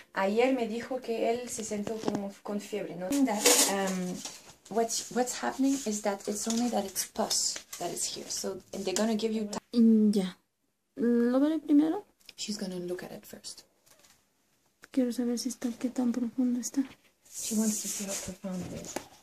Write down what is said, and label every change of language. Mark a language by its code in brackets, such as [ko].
[es] Ayer me dijo que él se sentó como con fiebre. No. [en] That, what's happening is that it's only that it's pus that is here. So and they're gonna give you. [es] ¿Lo veré primero? [en] She's gonna look at it first. [es] Quiero saber si está qué tan profundo está. [en] She wants to see how profound it is.